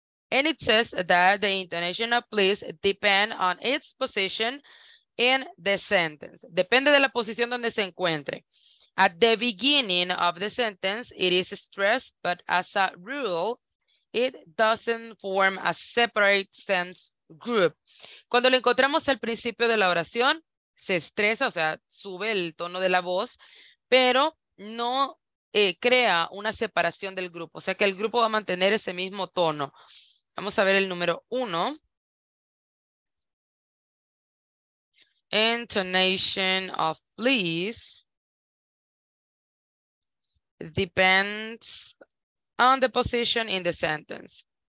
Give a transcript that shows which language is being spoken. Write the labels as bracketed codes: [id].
[en] And it says that the intonation of please depend on its position in the sentence. [es] Depende de la posición donde se encuentre. [en] At the beginning of the sentence, it is stressed, but as a rule, it doesn't form a separate sense group. [es] Cuando lo encontramos al principio de la oración, se estresa, o sea, sube el tono de la voz, pero no crea una separación del grupo. O sea, que el grupo va a mantener ese mismo tono. Vamos a ver el número uno. [en] Intonation of please depends on the position in the sentence.